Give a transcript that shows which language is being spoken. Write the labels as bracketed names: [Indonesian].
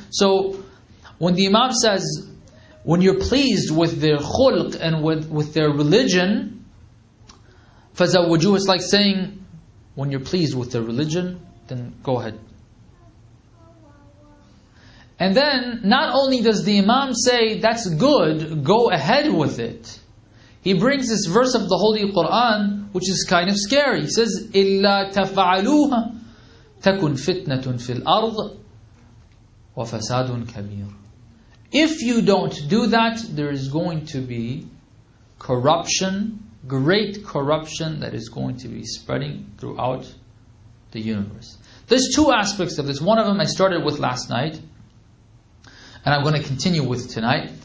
[English] So when the Imam says, when you're pleased with their khulq and with their religion, فَزَوَّجُوا, it's like saying, when you're pleased with their religion, then go ahead. And then, not only does the Imam say, that's good, go ahead with it, he brings this verse of the Holy Quran, which is kind of scary. He says, [Arabic] إِلَّا تَفَعَلُوهَ تَكُنْ فِتْنَةٌ فِي الْأَرْضِ وَفَسَادٌ كَبِيرٌ. [English] If you don't do that, there is going to be corruption, great corruption that is going to be spreading throughout the universe. There's two aspects of this. One of them I started with last night, and I'm going to continue with tonight.